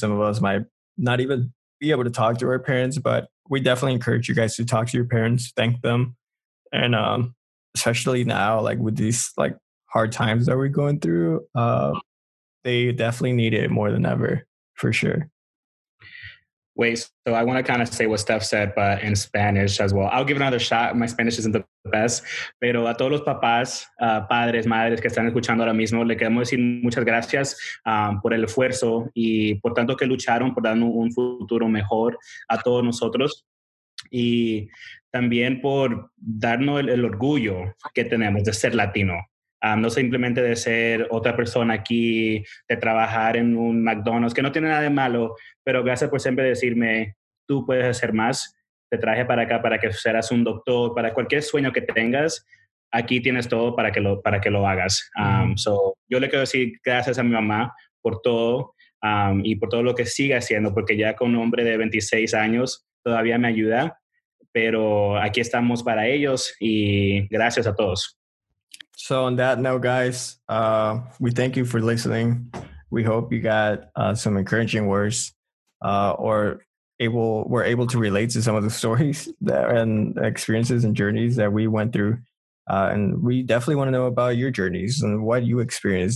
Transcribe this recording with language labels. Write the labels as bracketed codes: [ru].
[en] Some of us might not even be able to talk to our parents, but we definitely encourage you guys to talk to your parents, thank them. And, especially now, like with these like hard times that we're going through, they definitely need it more than ever. For sure. Wait, so I want to kind of say what Steph said, but in Spanish as well. I'll give it another shot. My Spanish isn't the best. [es] Pero a todos los papás, padres, madres que están escuchando ahora mismo, le queremos decir muchas gracias por el esfuerzo y por tanto que lucharon por dar un futuro mejor a todos nosotros. Y también por darnos el orgullo que tenemos de ser latino. No simplemente de ser otra persona aquí, de trabajar en un McDonald's, que no tiene nada de malo, pero gracias por siempre decirme, tú puedes hacer más. Te traje para acá para que seas un doctor, para cualquier sueño que tengas, aquí tienes todo para que lo hagas. So, yo le quiero decir gracias a mi mamá por todo y por todo lo que sigue haciendo, porque ya con un hombre de 26 años todavía me ayuda, pero aquí estamos para ellos y gracias a todos. [en] So on that note, guys, we thank you for listening. We hope you got some encouraging words or were able to relate to some of the stories that, and experiences and journeys that we went through. And we definitely want to know about your journeys and what you experienced.